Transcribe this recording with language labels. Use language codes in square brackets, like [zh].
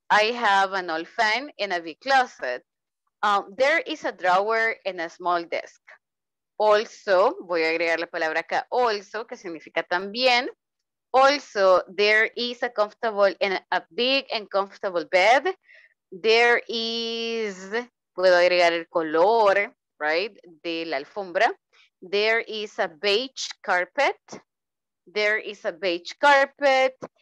[en] I have an old fan and a big closet. There is a drawer and a small desk. [es] Also, voy a agregar la palabra acá, also, que significa también. [en] Also, there is a comfortable and a big and comfortable bed. There is, [es] puedo agregar el color, right, de la alfombra. [en] There is a beige carpet. There is a beige carpet.